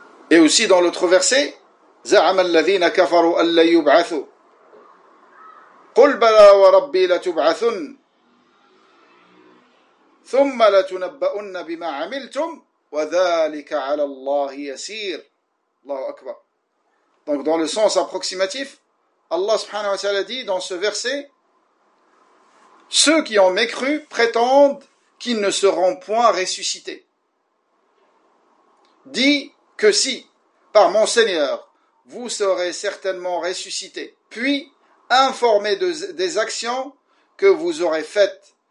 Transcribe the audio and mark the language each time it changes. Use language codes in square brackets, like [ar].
[fr] Et aussi dans l'autre verset, [ar] Za'ama alladhina kafaru an la yub'athu. قل بلى وربي لتبعثن ثم لتنبؤن بما عملتم وذلك على الله يسير. الله أكبر. [fr] Donc dans le sens approximatif, Allah subhanahu wa ta'ala dit dans ce verset, ceux qui ont mécru prétendent qu'ils ne seront point ressuscités. Dis que si, par mon Seigneur, vous serez certainement ressuscités, puis informé des actions que vous aurez faites.